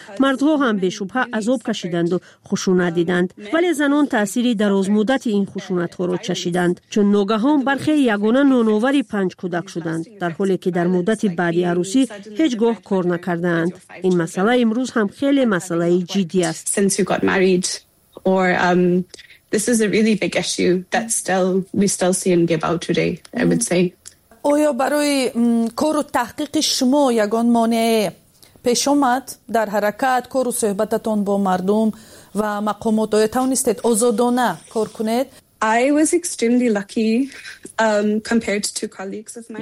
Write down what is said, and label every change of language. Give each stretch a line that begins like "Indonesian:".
Persian: مردها هم به شبه عذاب کشیدند و خشونت دیدند، ولی زنان تأثیری دراز مدت این خشونت ها را چشیدند، چون ناگهان برخی یگانه نانووری پنج کودک شدند، در حالی که در مدت بعدی عروسی هیچ گاه کار نکردند. این مسئله امروز هم خیلی مسئله جدی است.
English: This is a really big issue that we still see and give out today, I would say.
Persian: آیا برای کار و تحقیق شما یگان مانع پیش آمد در حرکت، کار و صحبتتان با مردم و مقامات؟ آیا توانستید آزادانه کار کنید؟
English: I was extremely lucky compared to colleagues of mine.